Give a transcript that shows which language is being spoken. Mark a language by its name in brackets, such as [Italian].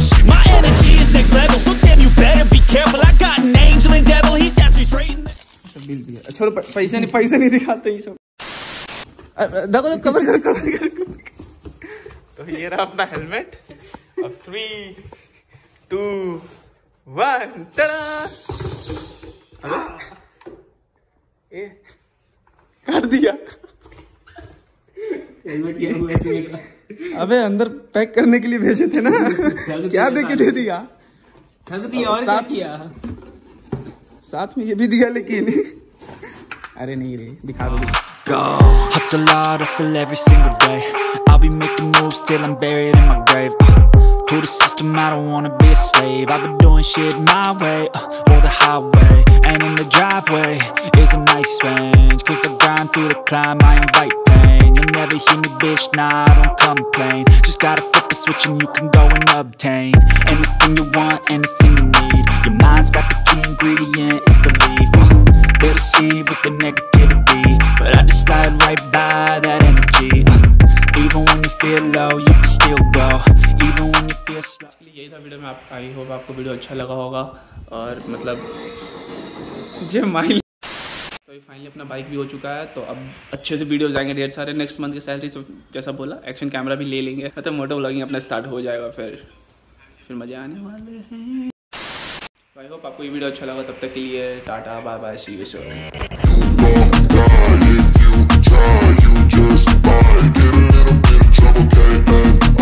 [English] My energy is next level, so damn you better be careful. I got an angel and devil, he stabs me straight in the... [Hindi] bill भी है, छोड़ो पैसे नहीं दिखाते ये सब। देखो तो कवर करो कवर करो। तो ये रहा अपना हेलमेट, अब 3, 2, 1 टाटा। अरे ए काट दिया हेलमेट क्या हुआ ऐसे का, अबे अंदर पैक करने के लिए भेजे थे ना, क्या देके दे दिया, ठग दिया और क्या किया, साथ में ये भी दिया लेकिन अरे नहीं रे दिखा दो। [English] Go hustle hard, hustle every single day, I'll be making moves till I'm buried in my grave, to the system I don't wanna be a slave, I've been doing shit my way, or the highway, and in the driveway is a nice range, cause I grind through the climb, I invite pain, you'll never hear me bitch, nah I don't complain, just gotta flip the switch and you can go and obtain, anything you want, anything you need, your mind's got the key ingredient, it's belief, better see with the negativity, but I just slide right by that energy, even when you feel low, you can still go, even when you feel slow. [Hindi] यही था video में, आप I hope आपको video अच्छा लगा होगा, और मतलब जे माइल तो फाइनली अपना बाइक भी हो चुका है, तो अब अच्छे से वीडियोस आएंगे ढेर सारे, नेक्स्ट मंथ की सैलरी सब जैसा बोला, एक्शन कैमरा भी ले लेंगे, मतलब मोटो व्लॉगिंग अपना स्टार्ट हो जाएगा, फिर मजे आने वाले हैं। तो आई होप आपको ये वीडियो अच्छा लगा, तब तक के लिए tata bye bye, C you soon. [English] Try, you just might get a little bit of trouble, okay?